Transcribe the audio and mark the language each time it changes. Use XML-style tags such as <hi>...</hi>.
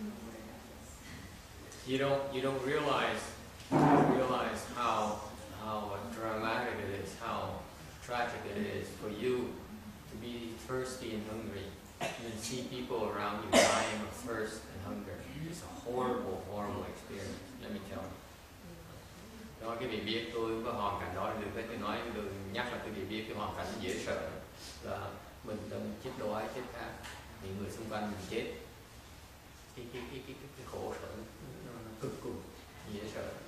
<zh>最后有没有就得有，所以就直接就在海上上一直漂，然后他们就跟观世音菩萨祈祷说祈求着，后来那个船就漂到了。</zh> <en>You don't realize how dramatic it is, how tragic it is for you to be thirsty and hungry, and then see people around you dying of thirst and hunger. It's a horrible, horrible experience, let me tell you.</en> <vi>Đó, cái việc biết tôi có hoàn cảnh đó được phép tôi nói, được nhắc là cái việc biết cái hoàn cảnh dễ sợ là mình đang chết đói, chết khát, những người xung quanh mình chết. Cái khổ sở nó cực cùng, dễ sợ.</vi>